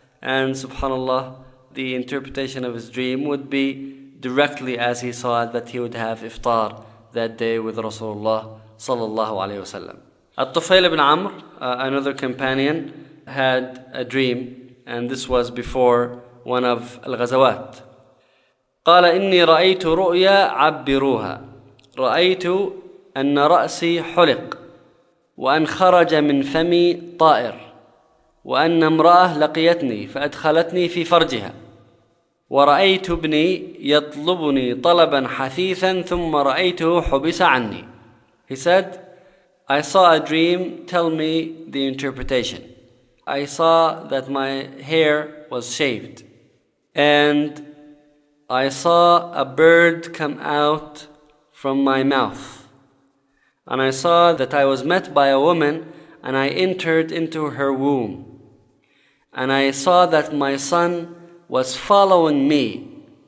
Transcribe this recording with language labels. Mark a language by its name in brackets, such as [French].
[English] And subhanallah, the interpretation of his dream would be directly as he saw it, that he would have iftar that day with Rasulullah [Arabic] sallallahu alayhi wa sallam. [English] At-Tufayl ibn Amr, another companion, had a dream, and this was before one of al-Ghazawat. [Arabic] قال إني رأيت رؤيا عبروها رأيت أن رأسي حلق وأن خرج من فمي طائر وأن امرأة لقيتني فأدخلتني في فرجها ورأيت ابني يطلبني طلبا حثيثا ثم رأيته حبس عني. [English] He said, I saw a dream, tell me the interpretation. I saw that my hair was shaved, and I saw a bird come out from my mouth, and I saw that I was met by a woman, and I entered into her womb, and I saw that my son was following me,